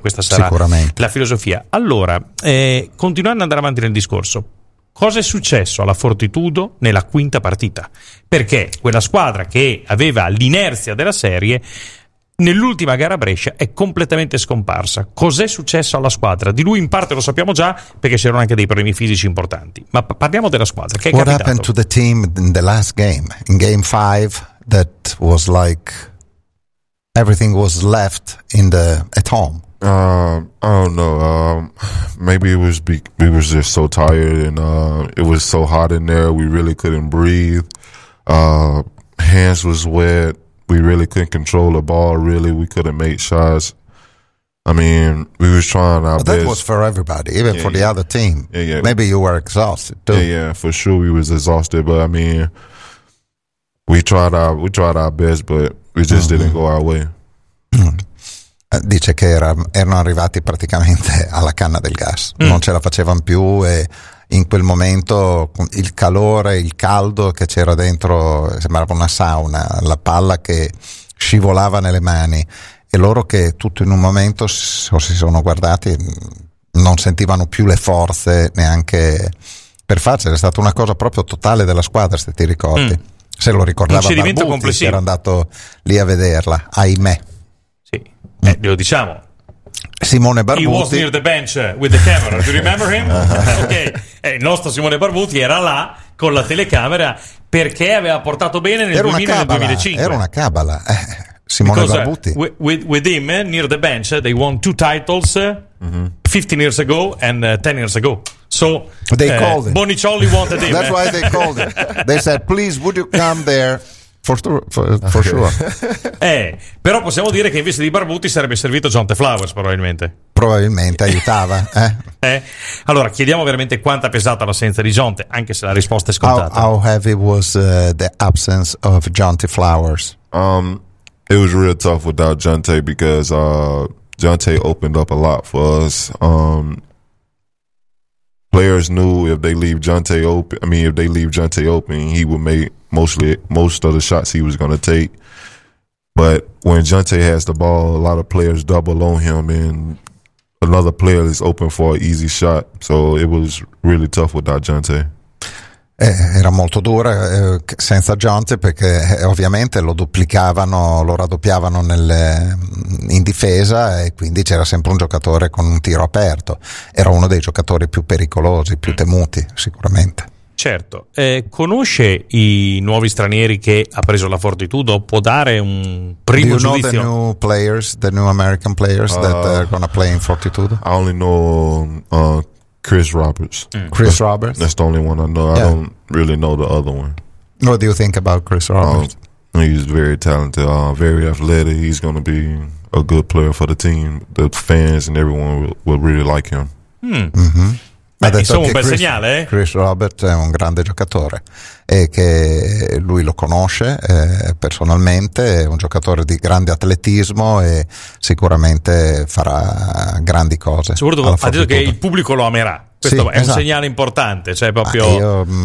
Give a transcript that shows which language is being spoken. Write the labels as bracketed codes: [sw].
[it] Questa sarà la filosofia. Allora, continuando ad andare avanti nel discorso, cosa è successo alla Fortitudo nella quinta partita? Perché quella squadra che aveva l'inerzia della serie nell'ultima gara a Brescia è completamente scomparsa. Cos'è successo alla squadra? Di lui in parte lo sappiamo già perché c'erano anche dei problemi fisici importanti, ma parliamo della squadra. Che è [en] What [it] capitato? [en] Happened to the team in the last game, in game 5, that was like everything was left in the at home? I don't know. Maybe it was we was just so tired, and it was so hot in there. We really couldn't breathe. Hands was wet. We really couldn't control the ball. Really, we couldn't make shots. I mean, we was trying our best. But that was for everybody, even for the other team. Yeah. Maybe you were exhausted too. Yeah, for sure we was exhausted. But I mean, we tried our best, but we just didn't go our way. [it] Dice che erano arrivati praticamente alla canna del gas. Non ce la facevano più e in quel momento il calore, il caldo che c'era dentro, sembrava una sauna, la palla che scivolava nelle mani. E loro che tutto in un momento si sono guardati, non sentivano più le forze neanche per farcela. È stata una cosa proprio totale della squadra, se ti ricordi. Se lo ricordava Barbuti, che era andato lì a vederla, ahimè. Sì, glielo diciamo. Simone Barbuti. [en] He was near the bench with the camera, do you remember him? [it] il nostro Simone Barbuti era là con la telecamera perché aveva portato bene nel 2000 e nel 2005. Era una cabala, Simone [en] because, [it] Barbuti. [en] With him near the bench, they won two titles 15 years ago and 10 years ago. So they called him. Bonicioli wanted him. That's why they called him. They said, please, would you come there? For sure. [it] Però possiamo dire che invece di Barbuti sarebbe servito Jonte Flowers, probabilmente. Probabilmente, aiutava. Allora, chiediamo veramente quanto ha pesato l'assenza di Jonte, anche se la risposta è scontata. [en] How heavy was the absence of Jonte Flowers? It was real tough without Jonte because Jonte opened up a lot for us. Players knew if they leave Jonte open, if they leave Jonte open, he would make most of the shots he was going to take. But when Jonte has the ball, a lot of players double on him and another player is open for an easy shot. So it was really tough without Jonte. [it] Era molto dura senza Jonte perché ovviamente lo raddoppiavano in difesa e quindi c'era sempre un giocatore con un tiro aperto. Era uno dei giocatori più pericolosi, più temuti sicuramente. Certo, conosce i nuovi stranieri che ha preso la Fortitudo? Può dare un primo giudizio? [en] Do you know The new players, the new American players that are going to play in Fortitudo? I only know Chris Roberts. Chris Roberts? That's the only one I know. Yeah. I don't really know the other one. What do you think about Chris Roberts? He's very talented, very athletic. He's going to be a good player for the team. The fans and everyone will really like him. [it] Insomma, un bel segnale. Chris Roberts è un grande giocatore e che lui lo conosce personalmente, è un giocatore di grande atletismo e sicuramente farà grandi cose. Ha detto che il pubblico lo amerà. Questo un segnale importante, cioè proprio.